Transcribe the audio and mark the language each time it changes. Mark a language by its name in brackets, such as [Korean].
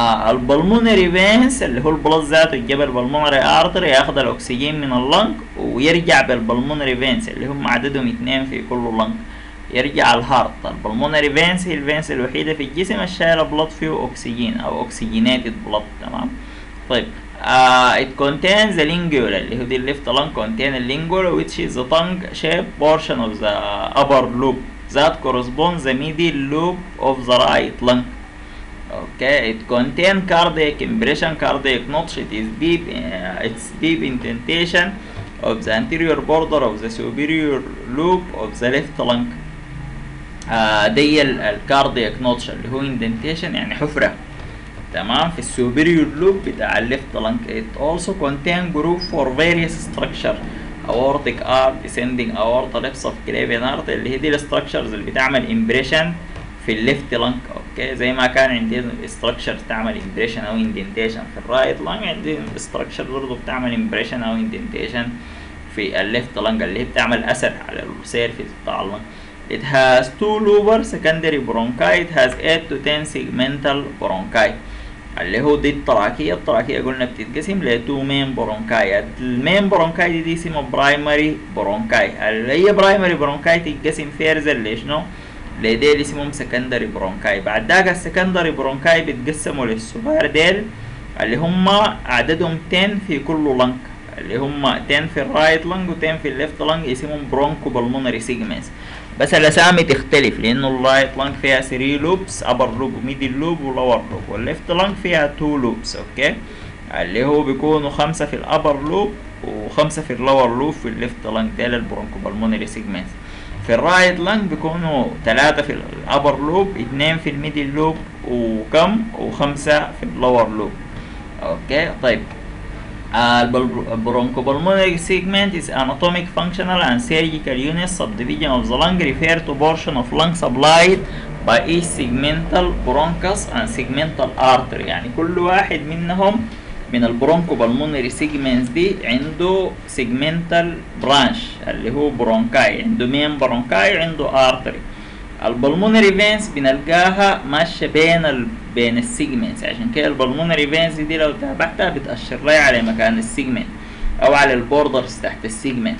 [Arabic] البلمونري فينس اللي هو البلط ذاته يجيب البلمونري ارتري ياخد الاكسجين من اللنج ويرجع بالبلمونري فينس اللي هم عددهم اثنين في كل لنج يرجع الهارت. البلمونري فينس هي الفينس الوحيده في الجسم الشايله بلط فيه اكسجين او اكسجينيتد بلط، تمام. [English] طيب it contains the lingual [Arabic] اللي هو دي الليفت لنج، [English] contain the lingual which is the tongue shaped portion of the upper loop that corresponds the middle loop of the right lung. Okay, it contain cardiac impression, cardiac notch, it's deep indentation of the anterior border of the superior loop of the left lung. [Arabic] دي الكارديك نوتش اللي هو indentation يعني حفرة، تمام، في السوبريور لوب بتاع الليفت لانك. [English] it also contain groove for various structure aortic arch descending aorta lips of Craven heart [Arabic] اللي هي دي الستركشرز اللي بتعمل impression في الليفت لانك، اوكي، زي ما كان عندي ستراكشر تعمل امبريشن او اندنتيشن في الرايت لانك، عندي ستراكشر برضه بتعمل امبريشن او اندنتيشن في الليفت لانك اللي هي بتعمل اثر على السيرفيس بتاع اللانك. [English] It has two lobar secondary bronchi, it has 8 to 10 segmental bronchi [Arabic] اللي هو دي التراكيه. التراكيه قلنا بتتقسم ل 2 مين برونكاي، المين برونكاي دي اسمها برايمري برونكاي، اللي هي برايمري برونكاي تتقسم فيرز اللي شنو؟ لديل اسمهم سكندري برونكاي. بعد ذاك السكندري برونكاي بيتقسموا للصغار ديل اللي هم عددهم 10 في كل لنك، اللي هم 10 في الرايت لنك و 10 في الليفت لنك، اسمهم برونكو بالمونري سيجمنتس، بس الاسامي تختلف لانه الرايت لنك فيها 3 لوبس، ابر لوب وميدل لوب ولور لوب، والليفت لنك فيها 2 لوبس، اوكي، اللي هو بيكونوا 5 في الابر لوب و5 في اللور لوب في الليفت لنك، ديل البرونكو بالمونري سيجمنتس. في الرايت لانج بيكونوا 3 في الابر لوب، 2 في الميدل لوب، وكم؟ و5 في اللور لوب. [English] Okay, طيب البرونكو بالمونري segment is anatomic functional and surgical unit subdivision of the lung refer to portion of lung supplied by each segmental bronchus and segmental artery. [Arabic] يعني كل واحد منهم من البرونكو بالمونري سيجمنتس دي عنده سيجمنتال برانش اللي هو برونكاي، عنده مين برونكاي، عنده ارتري. البلمونري فينس بنلقاها ماشيه بين السيجمنتس، عشان كده البلمونري فينس دي لو تابعتها بتاشر لي على مكان السيجمنت او على البوردرز تحت السيجمنت.